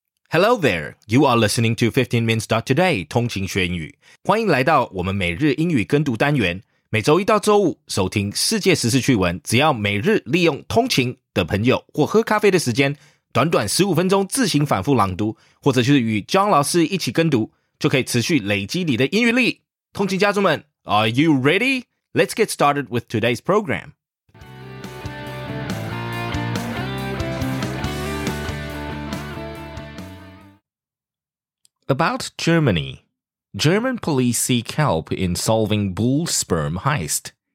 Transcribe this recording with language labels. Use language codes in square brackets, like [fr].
[en] Hello there, you are listening to 15minutes.today, [zh] 通勤学英语。欢迎来到我们每日英语跟读单元，每周一到周五收听世界时事趣闻，只要每日利用通勤的朋友或喝咖啡的时间，短短15分钟自行反复朗读，或者就是与 John 老师一起跟读，就可以持续累积你的英语力。通勤家族们， [en] Are you ready? Let's get started with today's program. About Germany. German police seek help in solving bull sperm heist.